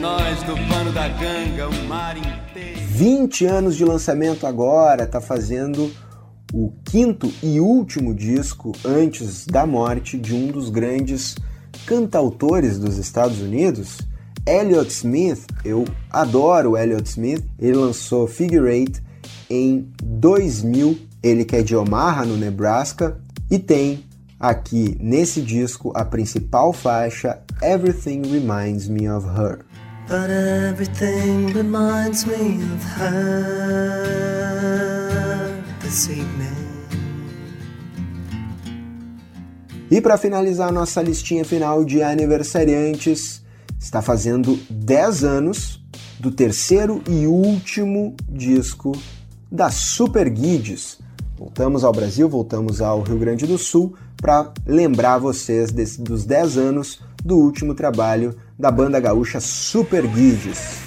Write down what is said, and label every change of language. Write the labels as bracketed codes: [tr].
[pt] Nós do pano da ganga, o mar inteiro. 20 anos de lançamento agora, tá fazendo o quinto e último disco antes da morte de um dos grandes cantautores dos Estados Unidos, Elliott Smith. Eu adoro Elliott Smith. Ele lançou Figure Eight em 2000, ele que é de Omaha, no Nebraska, e tem aqui nesse disco a principal faixa, Everything Reminds Me of Her. [en] But everything reminds me of her this evening. [pt] E para finalizar nossa listinha final de aniversariantes, está fazendo 10 anos do terceiro e último disco da Super Guides. Voltamos ao Brasil, voltamos ao Rio Grande do Sul para lembrar vocês dos 10 anos do último trabalho da banda gaúcha Super Guides.